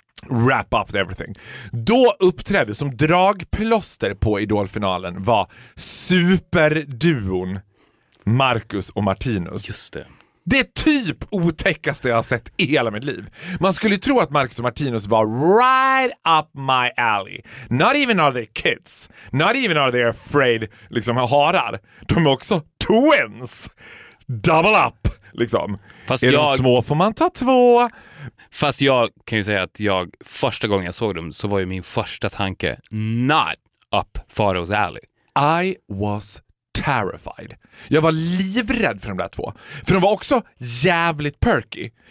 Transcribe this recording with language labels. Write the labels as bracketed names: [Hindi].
[English] Wrap up everything. [Swedish] Då uppträdde som dragplåster på Idol-finalen var superduon Marcus och Martinus. Just det. Det typ otäckaste jag har sett i hela mitt liv. Man skulle ju tro att Marcus och Martinus var [English] right up my alley. Not even are they kids. Not even are they afraid, [Swedish] liksom, harar. De är också twins. [English] Double up, [Swedish] liksom. Fast är jag... de små får man ta två. Fast jag kan ju säga att jag, första gången jag såg dem, så var ju min första tanke [English] not up Faro's alley. I was terrified. [Swedish] Jag var livrädd för de där två. För de var också jävligt perky.